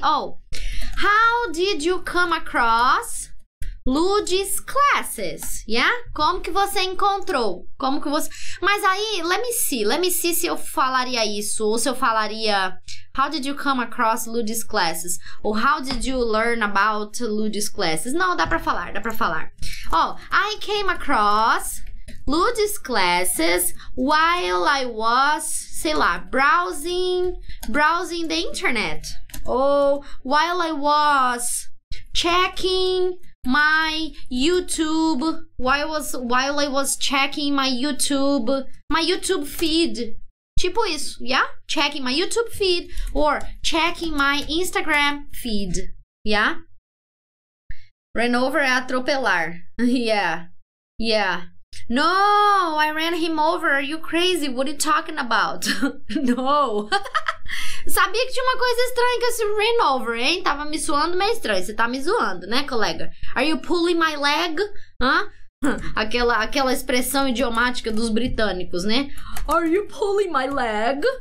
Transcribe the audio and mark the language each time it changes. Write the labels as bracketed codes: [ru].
[en] Oh, how did you come across Ludi's classes, yeah? [pt] Como que você encontrou? Como que você... Mas aí, [en] let me see [pt] se eu falaria isso ou se eu falaria... [en] How did you come across Ludi's classes? Ou how did you learn about Ludi's classes? [pt] Não, dá pra falar. [en] I came across Ludi's classes while I was, sei lá, browsing the internet. Ou while I was checking my YouTube, while I was checking my YouTube feed. [pt] Tipo isso, [en] yeah? Checking my YouTube feed or checking my Instagram feed, yeah? [pt] Ran over é atropelar, yeah. [en] No, I ran him over, are you crazy? What are you talking about? No. [pt] Sabia que tinha uma coisa estranha com esse ran over, hein? Tava me suando meio estranho, você tá me zoando, né, colega? [en] Are you pulling my leg? [pt] Hã? Aquela expressão idiomática dos britânicos, né? [en] Are you pulling my leg?